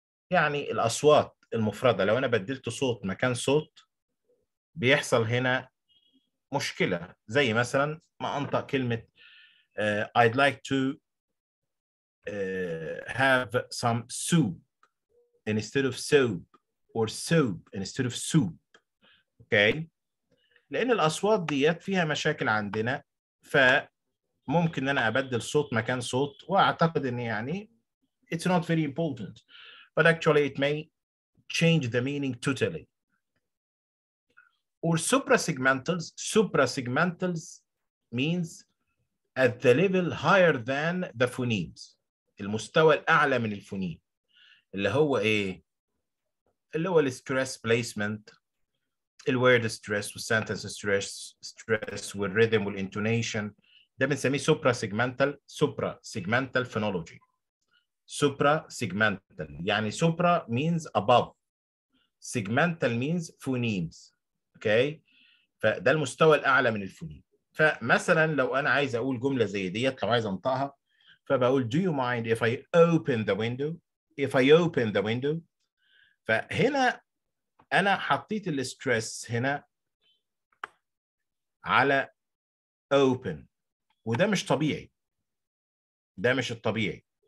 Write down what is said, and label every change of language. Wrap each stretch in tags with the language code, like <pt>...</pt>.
<ar>يعني الأصوات المفردة لو أنا بدلت صوت مكان صوت بيحصل هنا مشكلة زي مثلا ما أنطق كلمة</ar> <en>I'd like to have some soup instead of soap or soap instead of soup.</en> <ar>Okay, لأن الأصوات ديت فيها مشاكل عندنا ف ممكن أنا أبدل صوت مكان صوت وأعتقد أن يعني</ar> <en>it's not very important but actually it may change the meaning totally. Or suprasegmentals, suprasegmentals means at the level higher than the phonemes.</en> <ar>المستوى الأعلى من الفونيم اللي هو إيه؟ اللي هو الستريس placement, الword stress والsentence stress والrhythm والintonation. ده بنسميه supra-segmental phonology.</ar> <en>Supra-segmental. يعني supra means above. Segmental means phonemes. Okay?</en> <ar>فده المستوى الأعلى من الفونيم. فمثلا لو أنا عايز أقول جملة زي ديت لو عايز أنطقها فبقول</ar> <en>do you mind if I open the window? If I open the window?</en> <ar>فهنا أنا حطيت الستريس هنا على open. وده مش طبيعي. ده مش الطبيعي.</ar>